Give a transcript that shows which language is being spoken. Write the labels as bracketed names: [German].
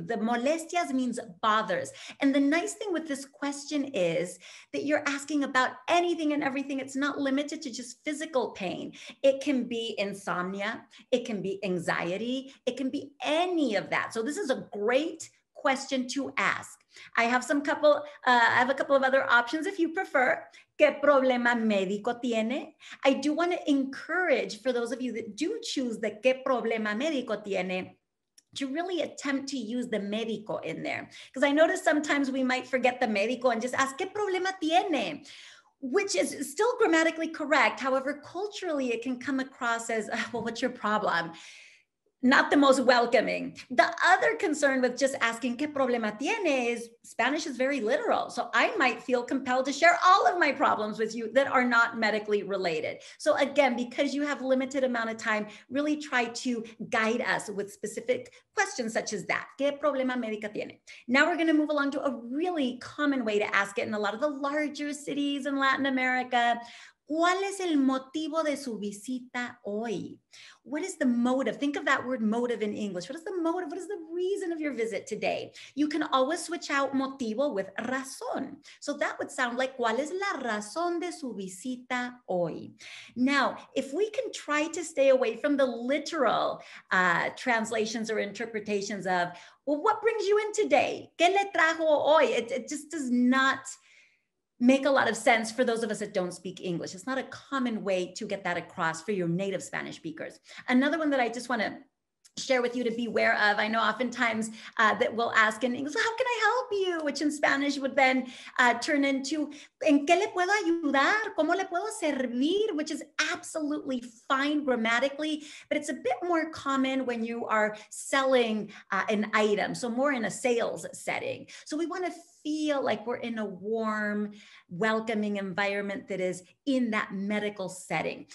[English] The molestias means bothers. And the nice thing with this question is that you're asking about anything and everything. It's not limited to just physical pain. It can be insomnia. It can be anxiety. It can be any of that. So this is a great question to ask. I have a couple of other options if you prefer. [Spanish] ¿Qué problema médico tiene? [English] I do want to encourage for those of you that do choose the [Spanish] ¿Qué problema médico tiene? [English] To really attempt to use the médico in there. Because I notice sometimes we might forget the médico and just ask, [Spanish] ¿qué problema tiene? [English] Which is still grammatically correct. However, culturally, it can come across as, well, what's your problem? Not the most welcoming. The other concern with just asking, [Spanish] ¿qué problema tiene? [English] Is Spanish is very literal. So I might feel compelled to share all of my problems with you that are not medically related. So again, because you have limited amount of time, really try to guide us with specific questions such as that. [Spanish] ¿Qué problema médico tiene? [English] Now we're gonna move along to a really common way to ask it in a lot of the larger cities in Latin America. [Spanish] ¿Cuál es el motivo de su visita hoy? [English] What is the motive? Think of that word motive in English. What is the motive? What is the reason of your visit today? You can always switch out motivo with razón. So that would sound like, [Spanish] ¿cuál es la razón de su visita hoy? [English] Now, if we can try to stay away from the literal translations or interpretations of, well, what brings you in today? [Spanish] ¿Qué le trajo hoy? [English] It just does not make a lot of sense for those of us that don't speak English. It's not a common way to get that across for your native Spanish speakers. Another one that I just want to share with you to beware of, I know oftentimes that we'll ask in English, how can I help you? Which in Spanish would then turn into, [Spanish] ¿en qué le puedo ayudar? ¿Cómo le puedo servir? [English] Which is absolutely fine grammatically, but it's a bit more common when you are selling an item. So more in a sales setting. So we want to feel like we're in a warm, welcoming environment that is in that medical setting.